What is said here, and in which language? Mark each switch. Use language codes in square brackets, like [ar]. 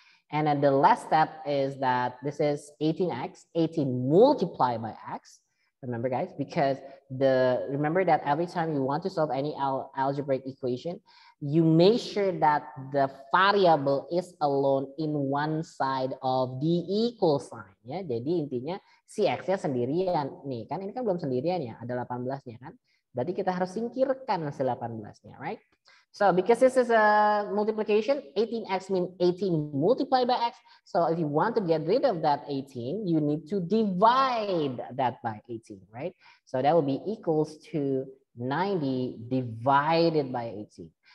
[en] And then the last step is that this is 18x, 18 multiplied by x. Remember, guys, because remember that every time you want to solve any algebraic equation, you make sure that the variable is alone in one side of the equal sign. [id] Ya, jadi intinya si x-nya sendirian nih, kan ini kan belum sendirian ya, ada 18-nya kan. Berarti kita harus singkirkan si 18-nya, right? [en] So because this is a multiplication, 18x means 18 multiplied by x. So if you want to get rid of that 18, you need to divide that by 18, right? So that will be equals to 90 divided by 18.